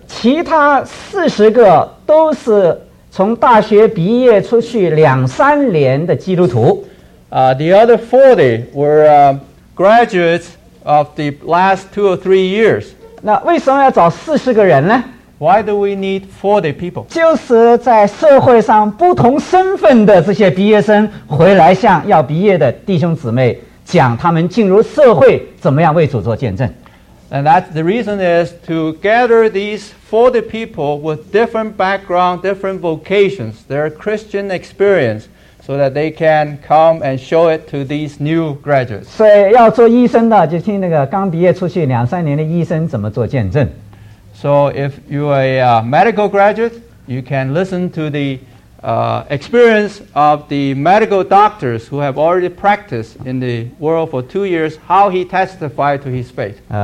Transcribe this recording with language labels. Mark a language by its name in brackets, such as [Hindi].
[Chinese] 其他40个都是从大学毕业出去2-3年的基督徒。 [English] The other 40 were graduates of the last 2 or 3 years. [Chinese] 那为什么要找40个人呢？ [English] Why do we need 40 people? [Chinese] 就是在社会上不同身份的这些毕业生回来向要毕业的弟兄姊妹讲他们进入社会怎么样为主做见证。 [English] And that's the reason is to gather these 40 people with different background, different vocations, their Christian experience, so that they can come and show it to these new graduates. [Chinese] 所以要做医生的就听那个刚毕业出去2-3年的医生怎么做见证。 [English] So if you are a medical graduate, you can listen to the experience of the medical doctors who have already practiced in the world for 2 years, how he testified to his faith.